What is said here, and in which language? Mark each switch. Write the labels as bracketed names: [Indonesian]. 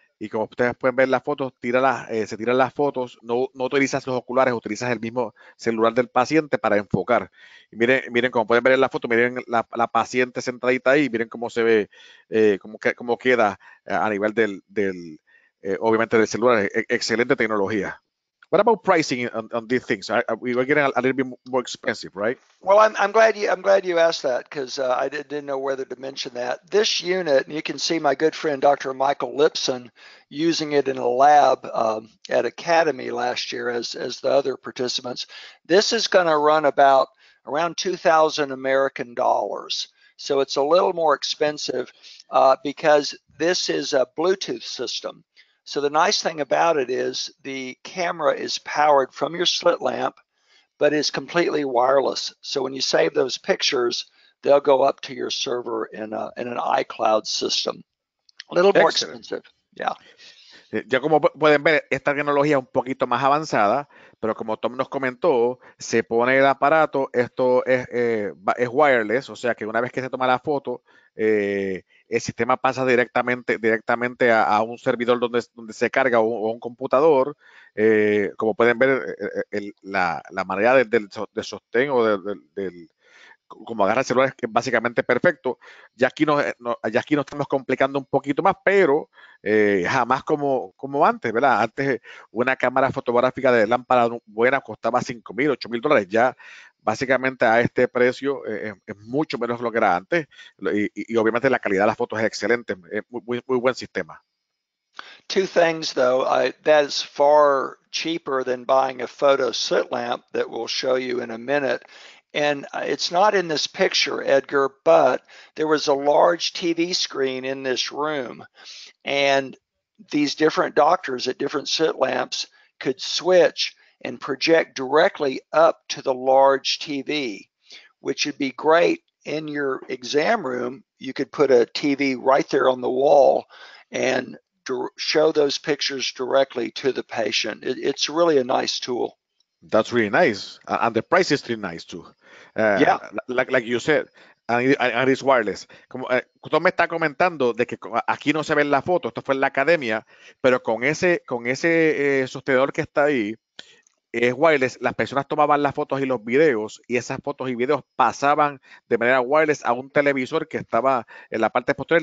[Spanish] Y como ustedes pueden ver las fotos, se tiran las fotos, no utilizas los oculares, utilizas el mismo celular del paciente para enfocar. Y miren como pueden ver en la foto, miren la paciente sentadita ahí, miren cómo se ve, cómo queda a nivel obviamente del celular. Excelente tecnología. [English] What about pricing on these things? We're getting a little bit more expensive, right? Well, I'm glad you asked that because I didn't know whether to mention that. This unit, and you can see my good friend Dr. Michael Lipson using it in a lab at Academy last year as the other participants. This is going to run around 2,000 American dollars. So it's a little more expensive because this is a Bluetooth system. So the nice thing about it is the camera is powered from your slit lamp, but is completely wireless. So when you save those pictures, they'll go up to your server in an iCloud system. A little more Excellent. expensive. Yeah. [Spanish] Ya como pueden ver, esta tecnología es un poquito más avanzada, pero como Tom nos comentó, se pone el aparato, esto es wireless, o sea que una vez que se toma la foto, el sistema pasa directamente a un servidor donde se carga o un computador. Como pueden ver, la manera de sostén o del como agarra el celular es básicamente perfecto. Ya aquí nos estamos complicando un poquito más, pero jamás como antes, ¿verdad? Antes una cámara fotográfica de lámpara buena costaba 5 mil, 8 mil dólares. Ya básicamente a este precio es mucho menos lo que era antes. Y obviamente la calidad de las fotos es excelente. Es muy, muy, muy buen sistema. [English] Two things though, that's far cheaper than buying a photo slit lamp that we'll show you in a minute. And it's not in this picture, Edgar, but there was a large TV screen in this room. And these different doctors at different slit lamps could switch and project directly up to the large TV, which would be great in your exam room. You could put a TV right there on the wall and show those pictures directly to the patient. It's really a nice tool. That's really nice, and the price is really nice too. Yeah. Like you said, and it's wireless. [Spanish] Como Tom me está comentando de que aquí no se ve en la foto, esto fue en la academia, pero con ese sostenedor que está ahí, es wireless. Las personas tomaban las fotos y los videos, y esas fotos y videos pasaban de manera wireless a un televisor que estaba en la parte posterior.